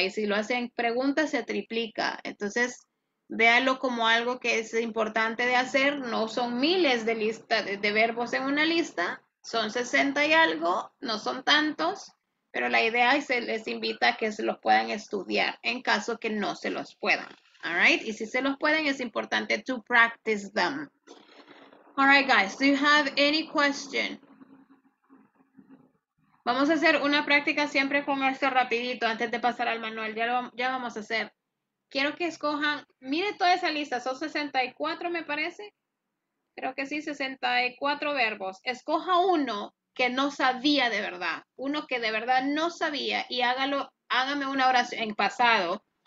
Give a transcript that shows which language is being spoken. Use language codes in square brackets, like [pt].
[es] Y si lo hacen preguntas, se triplica. Entonces, véalo como algo que es importante de hacer. No son miles de listas de verbos en una lista. Son 60 y algo. No son tantos. Pero la idea es que les invita a que se los puedan estudiar en caso que no se los puedan. [en] All right? [es] Y si se los pueden, es importante [en] to practice them. All right, guys, do you have any question? [es] Vamos a hacer una práctica siempre con esto rapidito antes de pasar al manual. Ya vamos a hacer. Quiero que escojan, mire toda esa lista, son 64 me parece. Creo que sí, 64 verbos. Escoja uno que no sabía de verdad, uno que de verdad no sabía y hágalo, hágame una oración en pasado.